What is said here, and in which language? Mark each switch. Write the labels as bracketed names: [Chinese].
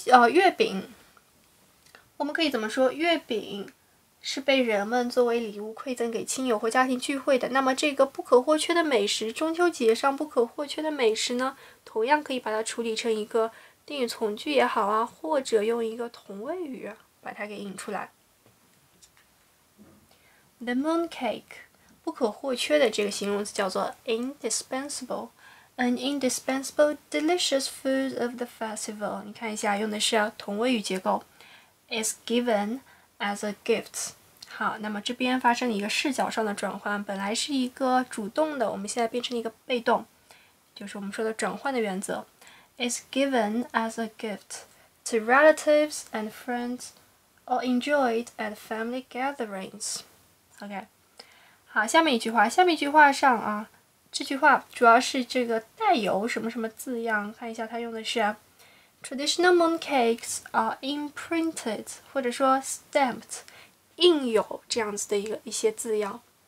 [Chinese] 月饼，我们可以怎么说，月饼是被人们作为礼物馈赠给亲友或家庭聚会的。那么这个不可或缺的美食，中秋节上不可或缺的美食呢，同样可以把它处理成一个定语从句也好啊，或者用一个同位语把它给引出来。 [English] The moon cake， [Chinese] 不可或缺的这个形容词叫做 [English] indispensable， an indispensable delicious food of the festival。 [Chinese] 你看一下，用的是同位语结构， [English] is given as a gift。 [Chinese] 好，那么这边发生了一个视角上的转换，本来是一个主动的，我们现在变成一个被动，就是我们说的转换的原则。 [English] Is given as a gift to relatives and friends or enjoyed at family gatherings. [Chinese] OK， 好，下面一句话，下面一句话上啊，这句话主要是这个带有什么什么字样，看一下它用的是 [English] traditional moon cakes are imprinted [Chinese] 或者说 stamped 印有这样子的一些字样